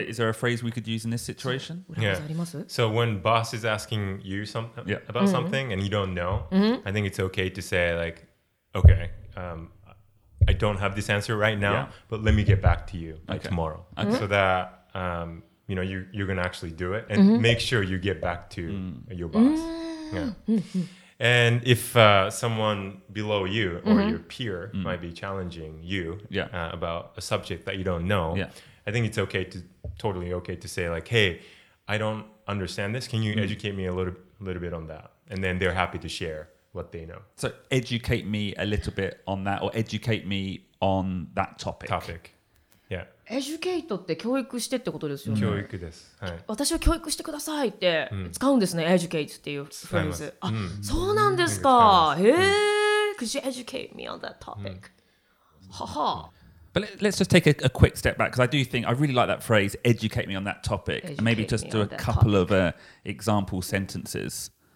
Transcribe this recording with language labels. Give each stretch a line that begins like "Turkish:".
English: So, is there a phrase we could use in this situation?
Japanese: Yeah. あります?
English: So when boss is asking you some, about something and you don't know, I think it's okay to say like, okay, I don't have this answer right now, but let me get back to you like, tomorrow. Okay. So that, you know, you're going to actually do it and make sure you get back to your boss. And if someone below you or your peer might be challenging you about a subject that you don't know, I think it's okay to, totally okay to say like, hey, I don't understand this. Can you educate me a little bit on that? And then they're happy to share what they know. So educate me a little bit on that or educate me on that topic. Topic.
Japanese: エデュケイトって教育してってことですよね。教育です、はい、私を教育してくださいって使うんですね、エデュケイトっていうフレーズ。あ、そうなんですか。
English: へぇー、 Could you educate me on that topic? ははぁ。 But let's just take a quick step back, because I do think, I really like that phrase, educate me on that topic, and maybe just do a couple of example sentences.